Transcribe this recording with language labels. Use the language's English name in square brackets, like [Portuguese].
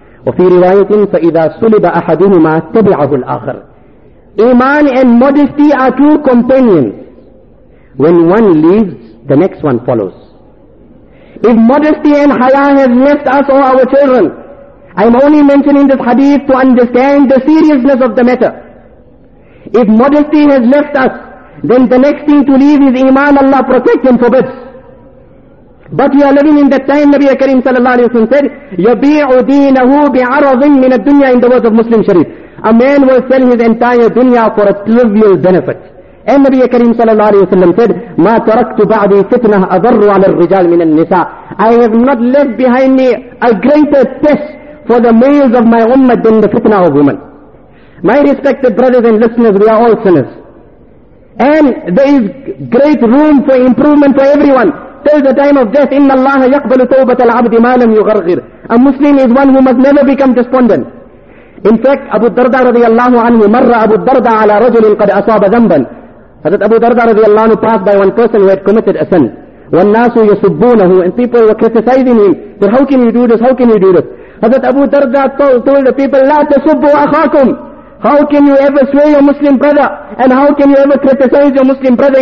[Arabic] وفي رواية فإذا سلب أحدهما تبعه الآخر. [English] إيمان and modesty are two companions. When one leaves, the next one follows. If modesty and haya has left us or our children, I'm only mentioning this hadith to understand the seriousness of the matter. If modesty has left us, then the next thing to leave is Iman. Allah protect and forbids. But we are living in that time. Nabi Kareem sallallahu alayhi wa sallam said, [Arabic] يَبِيعُ دِينَهُ بِعَرَضٍ مِّنَ الدُّنْيَا, [English] in the words of Muslim Sharif. A man will sell his entire dunya for a trivial benefit. And Nabi Kareem sallallahu alayhi wa sallam said, [Arabic] مَا تَرَكْتُ بَعْدِ فِتْنَةَ أَضَرُّ عَلَى الرِّجَالِ مِنَ النِّسَاءِ, [English] I have not left behind me a greater test for the males of my ummah than the fitna of women. My respected brothers and listeners, we are all sinners. And there is great room for improvement for everyone. Till the time of death, [Arabic] إِنَّ اللَّهَ يَقْبَلُ تَوْبَةَ الْعَبْدِ مَا لَمْ يُغَرْغِرْ. [English] A Muslim is one who must never become despondent. In fact, [Arabic] Abu Darda radiallahu anhu, مَرَّ أَبُو الدَّرْدَى عَلَى رَجُلٍ قَدْ أَصَابَ ذَنْبًا. [English] Hadith Abu Darda radiallahu anhu passed by one person who had committed a sin. [Arabic] وَالنَّاسُ يَسُبُّونَهُ, [English] and people were criticizing him. But how can you do this? How can you do this? Hadith Abu Darda told the people, [Arabic] لَا تَسُبُّوا أَخَاكُمْ. [English] How can you ever sway your Muslim brother? And how can you ever criticize your Muslim brother?